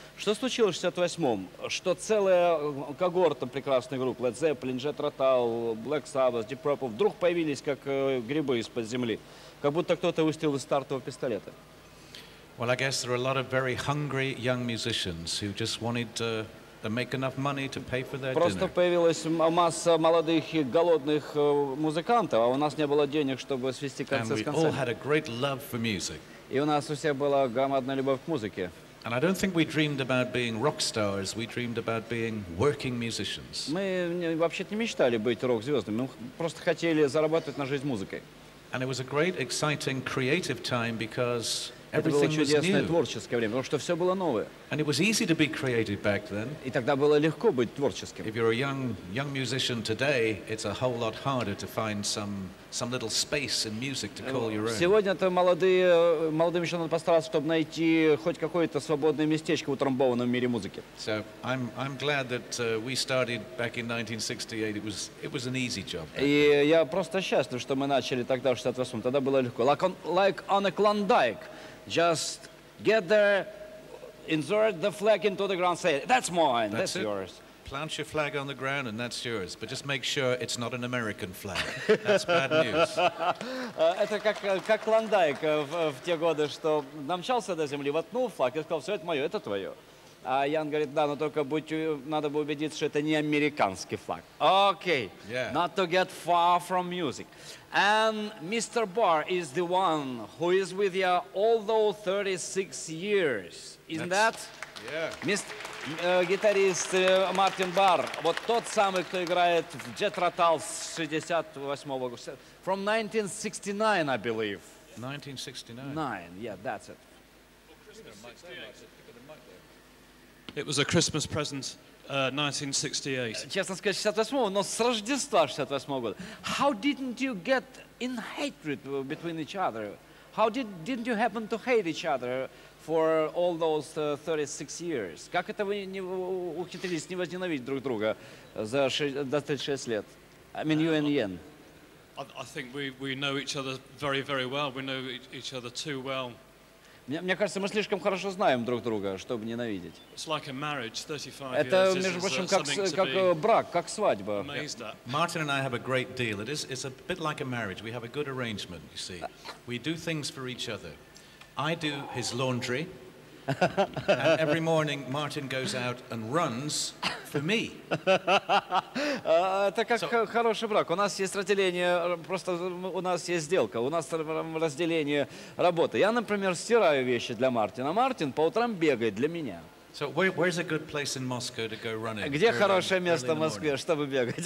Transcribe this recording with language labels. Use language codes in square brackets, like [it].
[ru] Что случилось в 68-м, что целая когорта прекрасных групп, Led Zeppelin, Jethro Tull, Black Sabbath, Deep Purple, вдруг появились как грибы из-под земли, как будто кто-то выстрелил из стартового пистолета? [en] Well, I guess there are a lot of very hungry young musicians who just wanted to make enough money to pay for their [ru] Просто [en] dinner. [ru] Появилась масса молодых и голодных музыкантов, а у нас не было денег, чтобы свести концы с концами. [en] And we all had a great love for music. [ru] И у нас у всех была громадная любовь к музыке. [en] And I don't think we dreamed about being rock stars, we dreamed about being working musicians. [ru] Мы вообще-то не мечтали быть рок-звездами, мы просто хотели зарабатывать на жизнь музыкой. [en] And it was a great, exciting, creative time because everything was new. [ru] Это было чудесное творческое время, потому что все было новое. [en] And it was easy to be creative back then. [ru] И тогда было легко быть творческим. [en] If you're a young musician today, it's a whole lot harder to find some little space in music to call your own. [ru] Сегодня-то молодым еще надо постараться, чтобы найти хоть какое-то свободное местечко в утрамбованном мире музыки. [en] So I'm glad that we started back in 1968. It was an easy job. [ru] И я просто счастлив, что мы начали тогда в 68-м. Тогда было легко. [en] Like on a Klondike, just get there, insert the flag into the ground, say, that's mine, that's yours. Plant your flag on the ground and that's yours. But just make sure it's not an American flag. That's bad news. [ru] Это как Клондайк в те годы, что намчался до земли, воткнул флаг и сказал, все это мое, это твое. А Ян говорит, да, но только надо бы убедиться, что это не американский флаг. [en] Okay, yeah. Not to get far from music. And Mr. Barr is the one who is with you all those 36 years. Isn't That's, that? Yeah. [ru] Гитарист Мартин Барр, вот тот самый, кто играет в Jethro Tull с 68-го года. [en] From 1969, I believe. 1969? Nine, yeah, that's it. It was a Christmas present, 1968. [ru] Честно сказать, 68-го, но с Рождества 68-го года. [en] How didn't you get in hatred between each other? How didn't you happen to hate each other for all those 36 years? [ru] Как это вы не ухитрились не возненавидеть друг друга за 36 лет? [en] I mean, you and Ian. I think we know each other very, very well. We know each other too well. [ru] Мне кажется, мы слишком хорошо знаем друг друга, чтобы ненавидеть. [en] It's like a marriage, 35 years. [ru] Это, между прочим, как брак, как свадьба. [en] Martin and I have a great deal. It's a bit like a marriage. We have a good arrangement, you see. We do things for each other. I do his laundry, and every morning Martin goes out and runs for me. [ru] Это как хороший брак. У нас есть разделение, просто у нас есть сделка, у нас разделение работы. Я, например, стираю вещи для Мартина, а Мартин по утрам бегает для меня. [en] So where's a good place in Moscow to go running? [ru] Где хорошее место в Москве, чтобы бегать?